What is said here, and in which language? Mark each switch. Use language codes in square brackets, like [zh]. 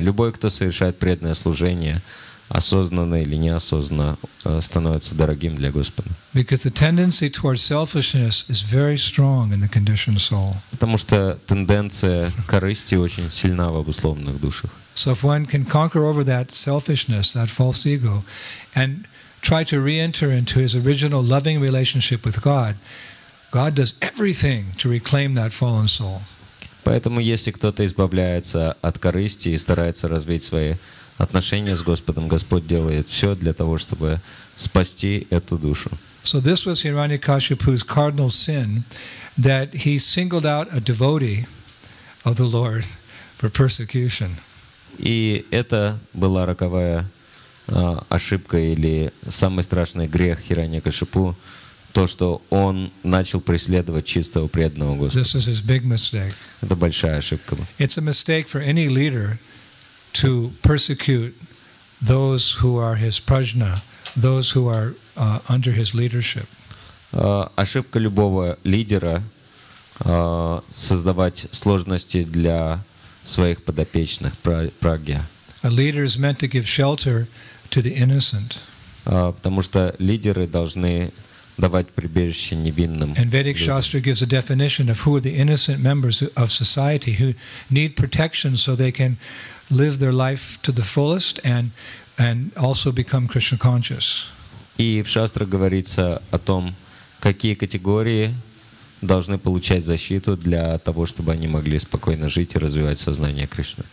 [ru] Любой, кто совершает преданное служение, осознанно или неосознанно, становится дорогим для Господа. [en] Because the tendency towards selfishness is very strong in the conditioned soul. [ru] Потому что тенденция корысти очень сильна в обусловленных душах. [en] So if one can conquer over that selfishness, that false ego, and try to re-enter into his original loving relationship with God, God does everything to reclaim that fallen soul. [ru] Поэтому если кто-то избавляется от корысти и старается развить свои отношения с Господом, Господь делает все для того, чтобы спасти эту душу. [en] So this was Hiranyakashipu's cardinal sin, that he singled out a devotee of the Lord for persecution. [ru] И это была роковая ошибка или самый страшный грех Хираньякашипу, то, что он начал преследовать чистого преданного Господа. [en] This is his big mistake. [ru] Это большая ошибка. [en] It's a mistake for any leader to persecute those who are his prajna, those who are under his leadership. [ru] Ошибка любого лидера создавать сложности для своих подопечных, прагья. [en] A leader is meant to give shelter to the innocent. [ru] Потому что лидеры должны давать прибежище невинным. [en] And Vedic Shastra gives a definition of who are the innocent members of society who need protection so they can live their life to the fullest and also become Krishna conscious. [ru] И в Шастрах говорится о том, какие категории должны получать защиту для того, чтобы они могли спокойно жить и развивать сознание Кришны.